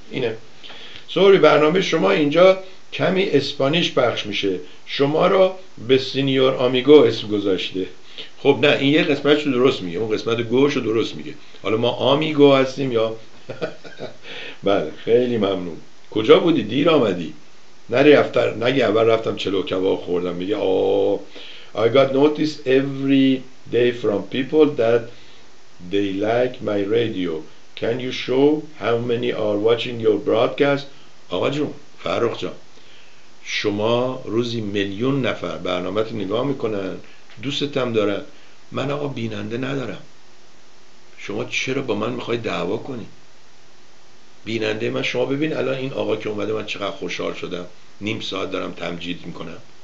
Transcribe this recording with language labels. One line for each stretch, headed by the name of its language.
Persian: اینه سوری برنامه شما، اینجا کمی اسپانیش پخش میشه، شما رو به سینیور آمیگو اسم گذاشته. خب نه این یه قسمت رو درست میگه، اون قسمت گوش رو درست میگه، حالا ما آمیگو هستیم یا بله. خیلی ممنون. کجا بودی؟ دیر آمدی. نگه اول رفتم چلو کباب خوردم.
English: میگه I got notice every day from people that they like my radio. Can you show how many are watching your broadcast?
Persian: آقا جون، فرخ جان، شما روزی میلیون نفر برنامه تو نگاه میکنن، دوستتم دارن. من آقا بیننده ندارم. شما چرا با من میخوای دعوا کنی؟ بیننده من شما، ببین الان این آقا که اومده من چقدر خوشحال شدم، نیم ساعت دارم تمجید میکنم.